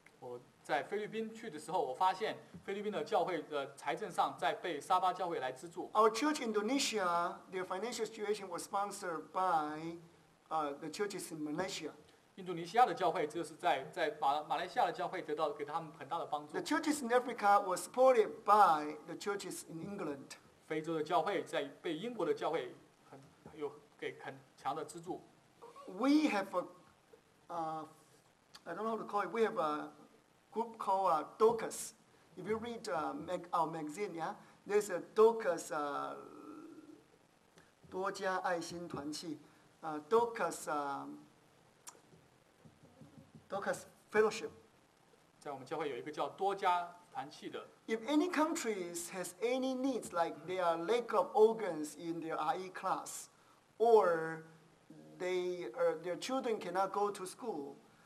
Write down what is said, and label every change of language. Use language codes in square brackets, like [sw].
[zh] 我在菲律宾去的时候，我发现菲律宾的教会的财政上在被沙巴教会来资助。 [en] Our church in Indonesia, their financial situation was sponsored by the churches in Malaysia. [zh] 印度尼西亚的教会就是在马来西亚的教会得到给他们很大的帮助。 [en] The churches in Africa were supported by the churches in England. [zh] 非洲的教会在被英国的教会很有给很强的资助。 [en] We have a, I don't know how to call it. We have a group called Dorcas. If you read our magazine, yeah, there's a Dorcas, [zh] 多加爱心团契 [en] Dorcas, Dorcas Fellowship. [zh] 在我们教会有一个叫多加团契的。 [en] If any countries has any needs, like there are lack of organs in their RE class, or their children cannot go to school.